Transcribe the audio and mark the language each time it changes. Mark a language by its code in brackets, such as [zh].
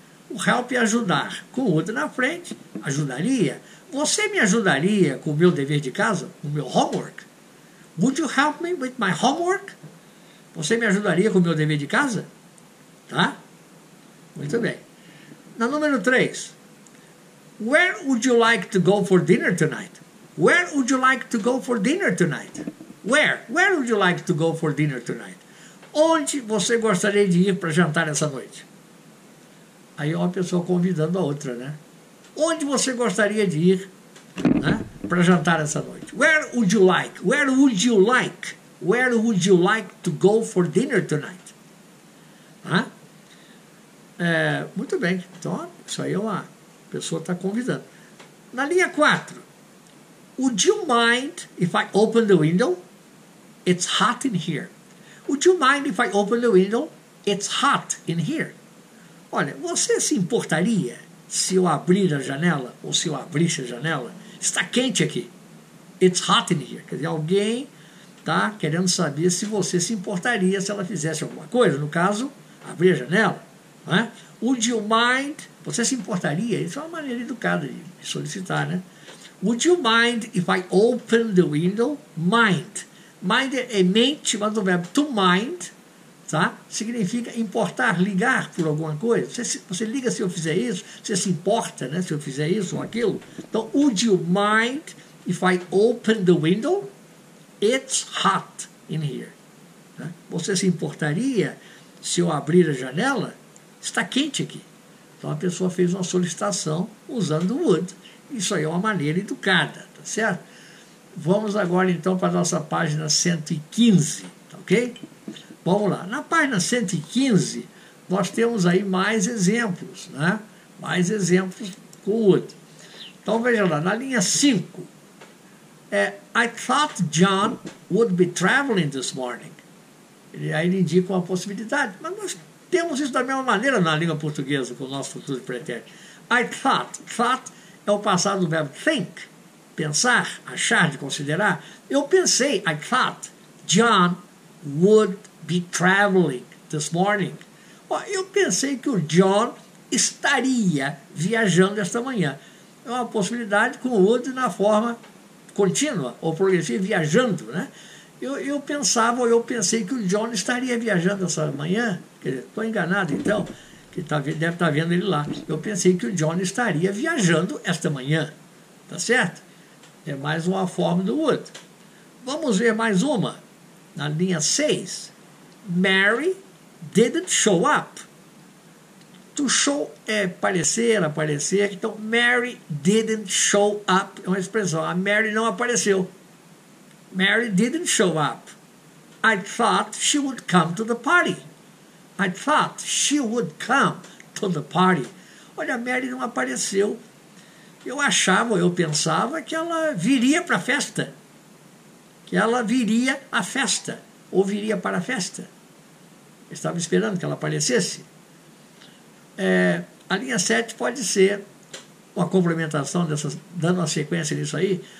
[pt] O help é ajudar. Com o outro na frente, ajudaria. Você me ajudaria com o meu dever de casa? Com o meu homework? [en] Would you help me with my homework? [pt] Você me ajudaria com o meu dever de casa? Tá? Muito bem. Na número 3. [en] Where would you like to go for dinner tonight? Where would you like to go for dinner tonight? Where would you like to go for dinner tonight? [pt] Onde você gostaria de ir para jantar essa noite? Aí é uma pessoa convidando a outra, né? Onde você gostaria de ir, né, para jantar essa noite? [en] Where would you like? Where would you like? Where would you like to go for dinner tonight? [pt] Muito bem. Então, isso aí é uma... A pessoa está convidando. Na linha 4. [en] Would you mind if I open the window? It's hot in here. Would you mind if I open the window? It's hot in here. [pt] Olha, você se importaria se eu abrir a janela ou se eu abrisse a janela? Está quente aqui. [en] It's hot in here. [pt] Quer dizer, alguém está querendo saber se você se importaria se ela fizesse alguma coisa. No caso, abrir a janela. Né? [en] Would you mind? [pt] Você se importaria? Isso é uma maneira educada de solicitar, né? [en] Would you mind if I open the window? Mind. [pt] Mind é mente, mas o verbo to mind, tá? Significa importar, ligar por alguma coisa. Você liga se eu fizer isso, você se importa, né, se eu fizer isso ou aquilo. [en] Então, would you mind if I open the window? It's hot in here. Né? [pt] Você se importaria se eu abrir a janela? Está quente aqui. Então, a pessoa fez uma solicitação usando o would. Isso aí é uma maneira educada, tá certo? Vamos agora, então, para a nossa página 115, tá ok? Vamos lá. Na página 115, nós temos aí mais exemplos, né? Mais exemplos com o outro. Então, veja lá, na linha 5. [en] I thought John would be traveling this morning. [pt] Ele aí indica uma possibilidade. Mas nós temos isso da mesma maneira na língua portuguesa, com o nosso futuro pretérito. I thought. Thought é o passado do verbo think. Pensar, achar, de considerar. Eu pensei, [en] I thought John would be traveling this morning. [pt] Eu pensei que o John estaria viajando esta manhã. É uma possibilidade com o would na forma contínua ou progressiva, viajando, né? Eu pensava, ou eu pensei que o John estaria viajando essa manhã. Estou enganado, então, que deve estar vendo ele lá. Eu pensei que o John estaria viajando esta manhã. Tá certo? É mais uma forma do would. Vamos ver mais uma. Na linha 6. [en] Mary didn't show up. [pt] To show é aparecer, aparecer. Então, [en] Mary didn't show up [pt] é uma expressão. A Mary não apareceu. [en] Mary didn't show up. I thought she would come to the party. I thought she would come to the party. [pt] Olha, a Mary não apareceu. Eu achava, eu pensava que ela viria para a festa. Que ela viria à festa. Ou viria para a festa. Eu estava esperando que ela aparecesse. A linha 7 pode ser uma complementação, dando uma sequência nisso aí.